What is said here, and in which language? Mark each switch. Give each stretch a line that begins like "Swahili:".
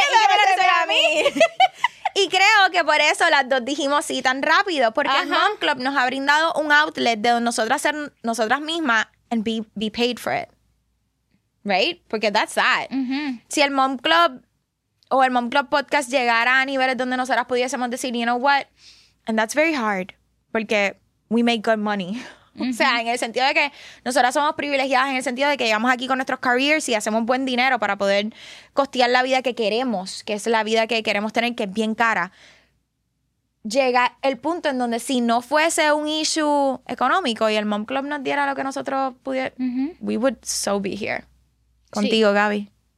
Spanish: Que nadie me lo resuelve a mí. Y creo que por eso las dos dijimos sí tan rápido. Porque el Mom Club nos ha brindado un outlet de nosotras ser nosotras mismas
English: and be paid for it. Right?
Spanish: Porque
English: that's that.
Spanish: Si el Mom Club o el Mom Club Podcast llegara a niveles donde nosotras pudiésemos decir,
English: you know what? And that's very hard.
Spanish: Porque
English: we make good money.
Spanish: O sea, en el sentido de que nosotras somos privilegiadas, en el sentido de que llegamos aquí con nuestros careers y hacemos buen dinero para poder costear la vida que queremos, que es la vida que queremos tener, que es bien cara. Llega el punto en donde si no fuese un issue económico y el Mom Club nos diera lo que nosotros pudiéramos,
English: we would so be here.
Spanish: Contigo, sí. Gaby.